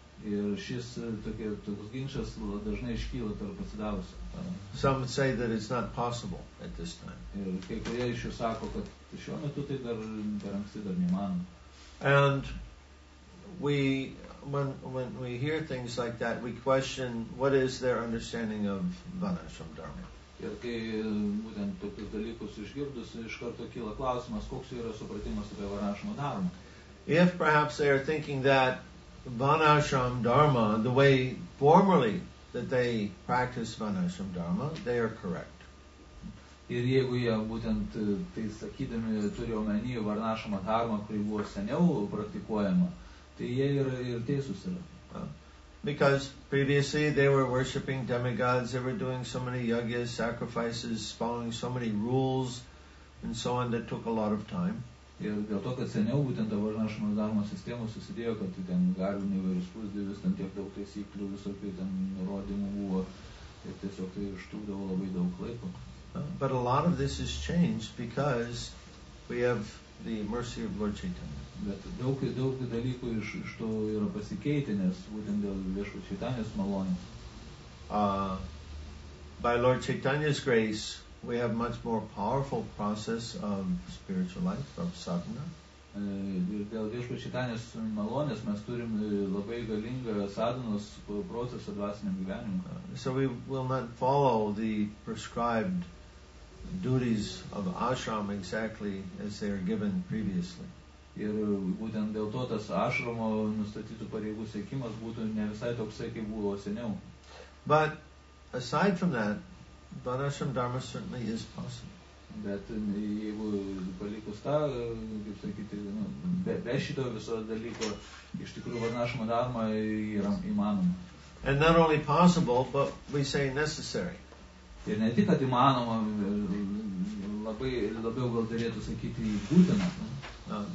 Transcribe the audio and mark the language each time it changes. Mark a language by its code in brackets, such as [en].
[lt] Ir šis toks ginčas dažnai iškyla tarp pasidavusių. [en] Some would say that it's not possible at this time. [lt] Ir kai kurie iš jų sako, kad šiuo metu tai dar per anksti, dar neįmanoma. [en] And when we hear things like that, we question what is their understanding of Varnashram Dharma. [lt] Ir kai būtent tokius dalykus išgirdus, iš karto kyla klausimas, koks yra supratimas apie Varnashramo Dharma. [en] If perhaps they are thinking that Varnashram Dharma, the way formerly that they practice Varnashram Dharma, they are correct. [lt] Ir jeigu jie būtent tai sakydami turi omeny Varnashramo Dharma, kuri buvo seniau praktikuojama, tai jie ir teisus yra. [en] Because previously they were worshipping demigods, they were doing so many yagyas, sacrifices, following so many rules and so on that took a lot of time. [lt] Ir dėl to, kad seniau būtent dabar našimo darmo sistemų susidėjo, kad ten galvių nevairius pusdėvis, ten tiek daug taisyklių visokių ten nurodymų buvo, ir tiesiog tai ištrūkdavo labai daug laiko. [en] But a lot of this has changed because we have the mercy of Lord Chaitanya. [lt] Bet daug dalykų iš to yra pasikeitę, nes būtent dėl viešo Chaitanyos malonės. [en] By Lord Chaitanya's grace, we have much more powerful process of spiritual life, of sadhana. [lt] Dėl Viešpaties Čaitanjos malonės mes turim labai galingą sadhanos procesą dvasiniam gyvenimui. [en] So we will not follow the prescribed duties of ashram exactly as they are given previously. [lt] Ir būtent dėl to tas ashramo nustatytų pareigų sekimas būtų ne visai toksai, kaip buvo seniau. [en] But aside from that, Varnashram Dharma certainly is possible. [lt] Bet jeigu palikus tą, kaip sakyti, be šito viso dalyko, iš tikrųjų Varnashramo Dharma yra įmanoma. [en] And not only possible, but we say necessary. [lt] Ir ne tik, kad įmanoma, labiau gal derėtų sakyti būtina.